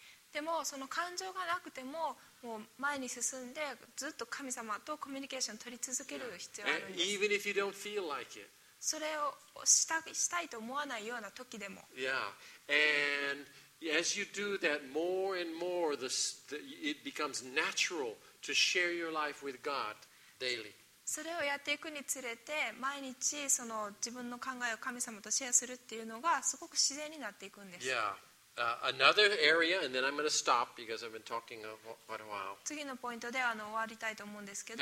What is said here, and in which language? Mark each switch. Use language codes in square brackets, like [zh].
[ja] でもその感情がなくて もう前に進んでずっと神様とコミュニケーションを取り続ける必要があるんです。 [en] Yeah. Feel like、it. [ja] それをしたいと思わないような時でも。 [en] Yeah. And as you do that more and more, it becomes natural to share your life with God daily. [ja] それをやっていくにつれて毎日その自分の考えを神様とシェアするっていうのがすごく自然になっていくんです。 [en] Yeah. Another area, and then I'm going to stop because I've been talking quite a while. [ja] 次のポイントで終わりたいと思うんですけど。